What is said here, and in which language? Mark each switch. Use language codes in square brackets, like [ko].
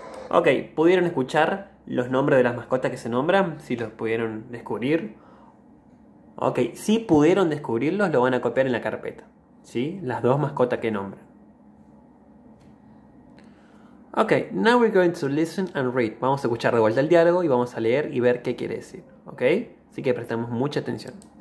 [es] Ok, ¿pudieron escuchar los nombres de las mascotas que se nombran? Si los pudieron descubrir. Ok, si pudieron descubrirlos, lo van a copiar en la carpeta. ¿Sí? Las dos mascotas que nombran. [en] Ok, now we're going to listen and read. [es] Vamos a escuchar de vuelta el diálogo y vamos a leer y ver qué quiere decir. Ok, así que prestamos mucha atención.